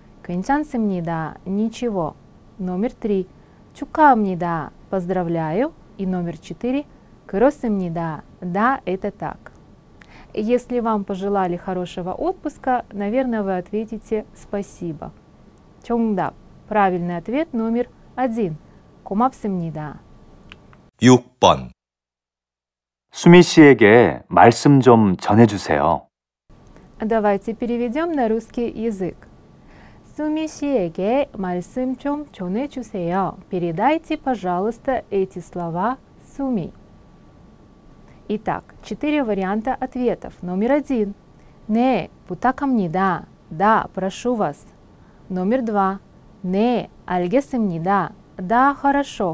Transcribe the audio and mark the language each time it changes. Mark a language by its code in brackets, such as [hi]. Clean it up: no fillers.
[ko] 괜찮습니다. [ru] Ничего. Номер три. [ko] 축하합니다. [ru] Поздравляю. И номер четыре. [ko] 그렇습니다. [ru] Да, это так. Если вам пожелали хорошего отпуска, наверное, вы ответите «спасибо». [ko] 정답. [ru] Правильный ответ номер один. [ko] 고맙습니다. 6번. 수미 씨에게 말씀 좀 전해주세요. [ru] Давайте переведем на русский язык. [ko] 수미 씨에게 말씀 좀 전해주세요. [ru] Передайте, пожалуйста, эти слова Суми. Итак, четыре варианта ответов. Номер один. [ko] 네, 부탁합니다. [ru] Да, прошу вас. Номер два. [ko] 네, 알겠습니다. [ru] Да, хорошо.